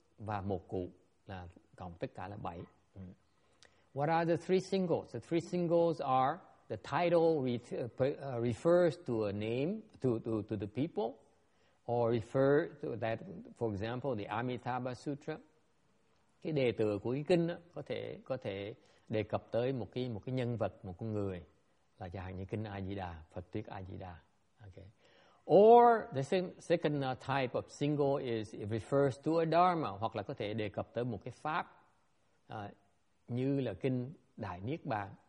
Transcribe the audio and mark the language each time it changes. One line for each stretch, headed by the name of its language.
Vietnamese: và một cụ là cộng tất cả là 7.
English: What are the three singles? The three singles are the title refers to a name to the people, or refer to that, for example, the Amitabha Sutra.
Vietnamese: Cái đề tựa của cái kinh đó, có thể đề cập tới một cái nhân vật, một con người, là chẳng hạn như kinh A Di Đà, Phật thuyết A Di Đà. Okay.
English: Or the second type of single is it refers to a dharma,
Vietnamese: hoặc là có thể đề cập tới một cái pháp như là kinh Đại Niết Bàn.